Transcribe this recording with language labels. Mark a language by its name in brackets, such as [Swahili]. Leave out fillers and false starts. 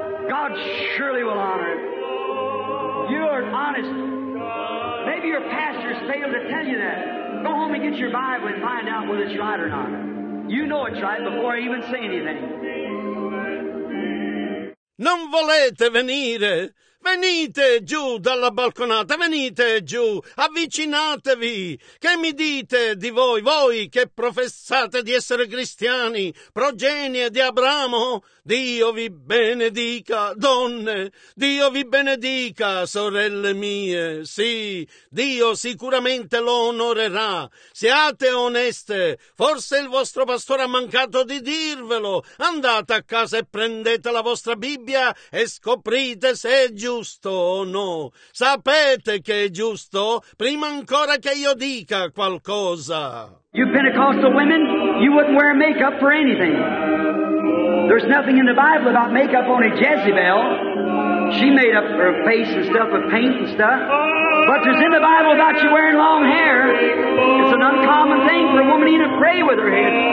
[English] God surely will honor it. You are honest. Maybe your pastors failed to tell you that. Go home and get your Bible and find out whether it's right or not. You know it's right before I even say anything. [Italian] Non volete venire? Venite giù dalla balconata, venite giù, avvicinatevi. Che mi dite di voi, voi che professate di essere cristiani, progenie di Abramo? Dio vi benedica, donne, Dio vi benedica, sorelle mie. Sì, Dio sicuramente lo onorerà. Siate oneste, forse il vostro pastore ha mancato di dirvelo. Andate a casa e prendete la vostra Bibbia e scoprite se è giusto o no. Sapete che è giusto prima ancora che io dica qualcosa. [English] You Pentecostal women, you wouldn't wear makeup for anything. There's nothing in the Bible about makeup on a Jezebel. She made up her face and stuff with paint and stuff. But there's in the Bible about you wearing long hair. It's an uncommon thing for a woman to even pray with her head.